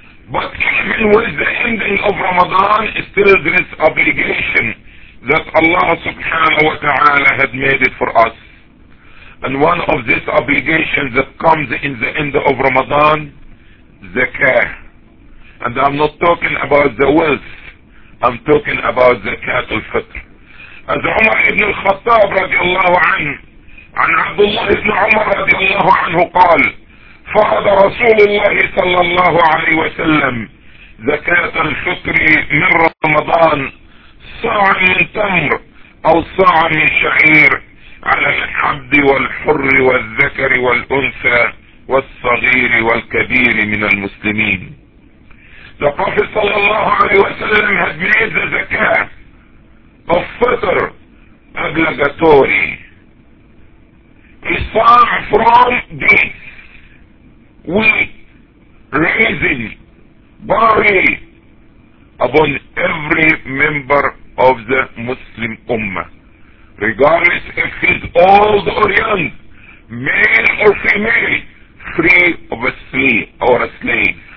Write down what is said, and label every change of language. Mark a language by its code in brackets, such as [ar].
[en] But even with the ending of Ramadan, still there is obligation that Allah subhanahu wa ta'ala had made it for us. And one of these obligations that comes in the end of Ramadan, zakah. And I'm not talking about the wealth, I'm talking about zakat al-fitr. [ar] As Umar ibn al-Khattab radiallahu anhu, عن عبد الله ibn Umar radiallahu anhu قال, فرض رسول الله صلى الله عليه وسلم زكاة الفطر من رمضان صاع من تمر أو صاع من شعير على العبد والحر والذكر والأنثى والصغير والكبير من المسلمين. [en] The Prophet [ar] صلى الله عليه وسلم [en] had made the زكاة of fitr obligatory. It's far from beets, wheat, raisin, barley, upon every member of the Muslim Ummah, regardless if he's old or young, male or female, free of a slave or a slave.